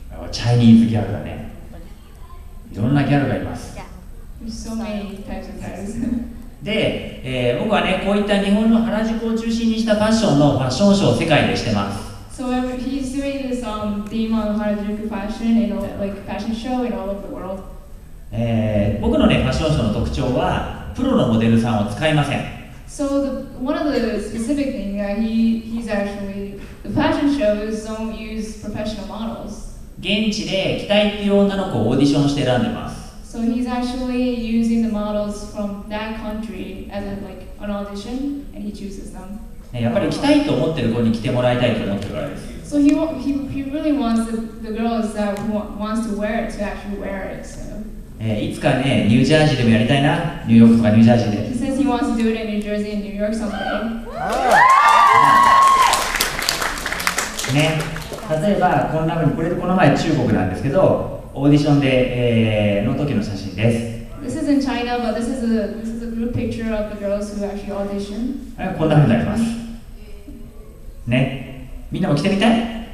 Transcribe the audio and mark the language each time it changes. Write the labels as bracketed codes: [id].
[ja] チャイニーズギャルだね。いろんなギャルがいます。 [en] There's so many types of girls. [ja] で、僕はね、こういった日本の原宿を中心にしたファッションのファッションショーを世界でしてます。 [en] So he's doing this theme on 原宿 fashion and like fashion show in all over the world. [ja] 僕のね、ファッションショーの特徴は、プロのモデルさんを使いません。 [en] So the one of the specific thing that he's actually the fashion shows don't use professional models. [ja] 現地で着たいっていう女の子をオーディションして選んでます。 [en] So he's actually using the models from that country as a, like an audition, and he chooses them. [ja] やっぱり着たいと思ってる子に着てもらいたいと思ってるからです。 [en] So he really wants the girls that wants to wear it to actually wear it. So. [ja] いつかね、ニュージャージーでもやりたいな、ニューヨークとかニュージャージーで。 [en] He says he wants to do it in New Jersey and New York someday. [ja] ね、例えばこんな風に、これこの前中国なんですけど、オーディションで、の時の写真です。 [en] This is in China, but this is a group picture of the girls who actually audition. [ja] こんな風になります。ね、みんなも着てみたい？